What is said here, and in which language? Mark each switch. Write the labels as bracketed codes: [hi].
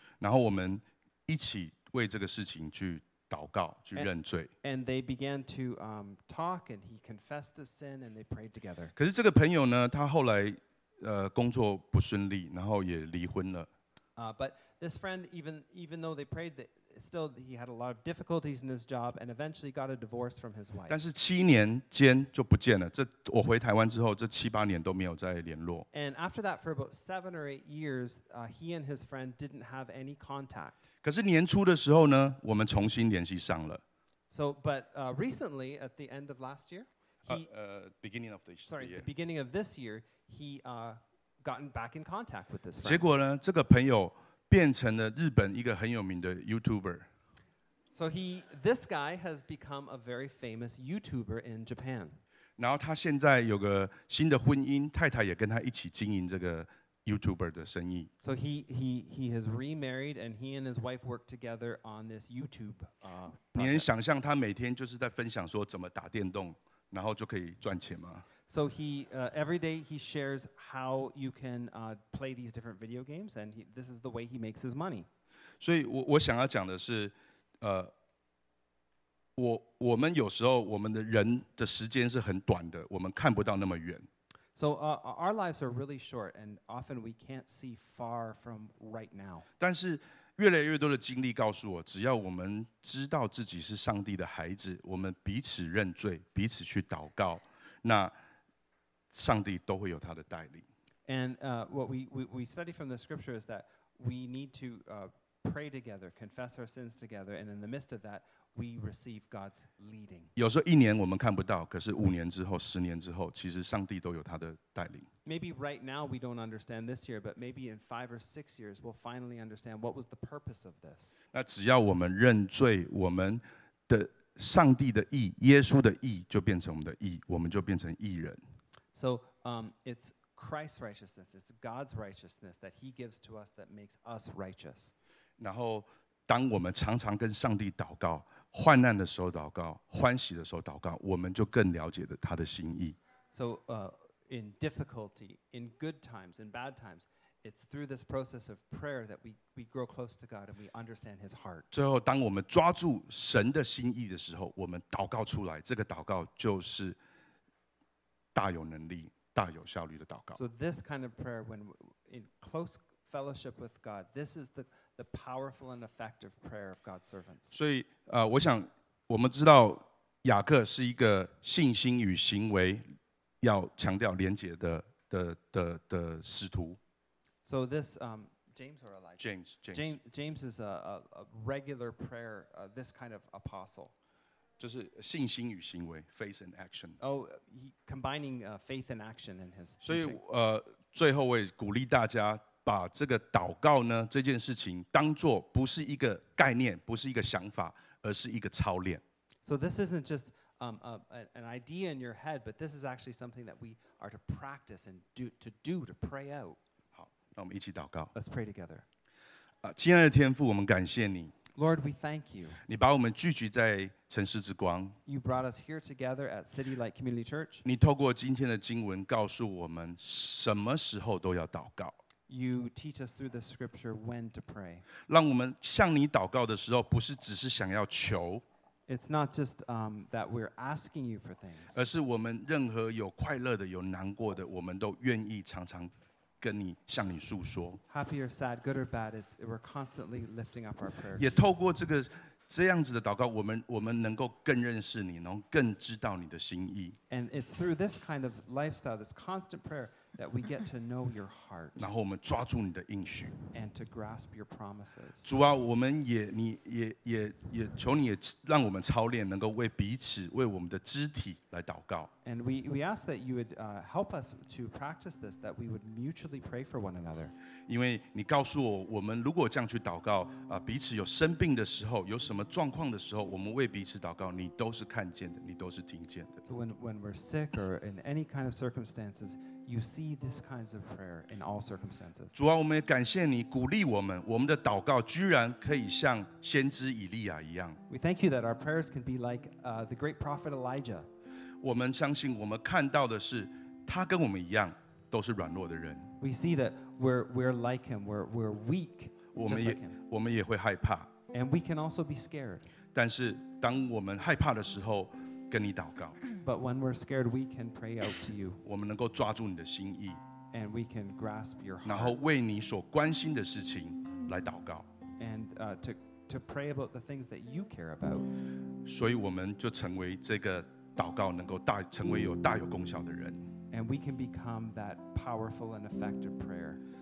[zh] 然后我们一起为这个事情去祷告，去认罪。 [en] And they began to talk, and he confessed his sin, and they prayed together. [zh] 可是这个朋友呢，他后来工作不顺利，然后也离婚了。 [en] But this friend, even though they prayed, that still he had a lot of difficulties in his job and eventually got a divorce from his wife. [zh] 但是七年间就不见了。这我回台湾之后，这七八年都没有再联络。 [en] And after that, for about 7 or 8 years, he and his friend didn't have any contact. [zh] 可是年初的时候呢，我们重新联系上了。 [en] So, but recently, at the end of last year, the beginning of this year, he gotten back in contact with this friend. [zh] 结果呢，这个朋友。变成了日本一个很有名的 YouTuber. [en] So this guy has become a very famous YouTuber in Japan. [zh] 然后他现在有个新的婚姻，太太也跟他一起经营这个 YouTuber 的生意。 [en] So he has remarried, and he and his wife work together on this YouTube. [zh] 你能想象他每天就是在分享说怎么打电动，然后就可以赚钱吗？ [en] So he every day he shares how you can play these different video games, and this is the way he makes his money. [zh] 所以我想要讲的是，我们有时候我们的人的时间是很短的，我们看不到那么远。 [en] So our lives are really short, and often we can't see far from right now. [zh] 但是越来越多的经历告诉我，只要我们知道自己是上帝的孩子，我们彼此认罪，彼此去祷告，那。上帝都会有他的带领。 [en] And what we study from the scripture is that we need to pray together, confess our sins together, and in the midst of that, we receive God's leading. [zh] 有时候一年我们看不到，可是五年之后、十年之后，其实上帝都有他的带领。 [en] Maybe right now we don't understand this year, but maybe in 5 or 6 years we'll finally understand what was the purpose of this. [zh] 那只要我们认罪，我们的上帝的义、耶稣的义就变成我们的义，我们就变成义人。 [en] So it's Christ's righteousness, it's God's righteousness that he gives to us that makes us righteous. [zh] 然后当我们常常跟上帝祷告，患难的时候祷告，欢喜的时候祷告，我们就更了解他的心意。 [en] So in difficulty, in good times, in bad times, it's through this process of prayer that we grow close to God and we understand his heart. [zh] 最后当我们抓住神的心意的时候，我们祷告出来，这个祷告就是大有能力、大有效率的祷告。 [en] So this kind of prayer, when in close fellowship with God, this is the powerful and effective prayer of God's servants. [zh] 所以，我想我们知道雅各是一个信心与行为要强调连结的使徒。 [en] So this James or Elijah? James is a regular prayer, this kind of apostle. [zh] 就是信心与行为 ， [en] faith and action. Oh, he combining faith and action in his. [zh] 所以，最后我也鼓励大家把这个祷告呢这件事情当做不是一个概念，不是一个想法，而是一个操练。 [en] So this isn't just an idea in your head, but this is actually something that we are to practice and do to pray out. [zh] 好，那我们一起祷告。 [en] Let's pray together. [zh] 亲爱的天父，我们感谢你。 [en] Lord, we thank you. [zh] 你把我们聚集在城市之光。 [en] You brought us here together at City Light Community Church. [zh] 你透过今天的经文告诉我们什么时候都要祷告。 [en] You teach us through the scripture when to pray. [zh] 让我们向你祷告的时候，不是只是想要求。 [en] It's not just that we're asking you for things. [zh] 而是我们任何有快乐的、有难过的，我们都愿意常常。跟你向你诉说 [en] ，Happy or sad, good or bad, we're constantly lifting up our prayers. [zh] 也透过这个这样子的祷告，我们能够更认识你，能够更知道你的心意。 [en] And it's through this kind of lifestyle, this constant prayer, that we get to know your heart. [zh] 然后我们抓住你的应许 [en] ，and to grasp your promises. [zh] 主啊，我们也你也也也求你也让我们操练，能够为彼此为我们的肢体来祷告。 [en] And we ask that you would help us to practice this, that we would mutually pray for one another. [zh] 因为你告诉我，我们如果这样去祷告，彼此有生病的时候，有什么状况的时候，我们为彼此祷告，你都是看见的，你都是听见的。 [en] So when we're sick or in any kind of circumstances, you see these kinds of prayer in all circumstances. [zh] 主啊，我们也感谢你鼓励我们，我们的祷告居然可以像先知以利亚一样。 [en] We thank you that our prayers can be like the great prophet Elijah. [zh] 我们相信，我们看到的是，他跟我们一样，都是软弱的人。 [en] We see that we're like him, we're weak. [zh] 我们也会害怕。 [en] And we can also be scared. [zh] 但是当我们害怕的时候，跟你祷告。 [en] But when we're scared, we can pray out to you. [zh] 我们能够抓住你的心意。 [en] And we can grasp your heart. [zh] 然后为你所关心的事情来祷告。 [en] And to to pray about the things that you care about. [zh] 所以我们就成为这个祷告能够大成为有大有功效的人。 [en] And we can become that powerful and effective prayer.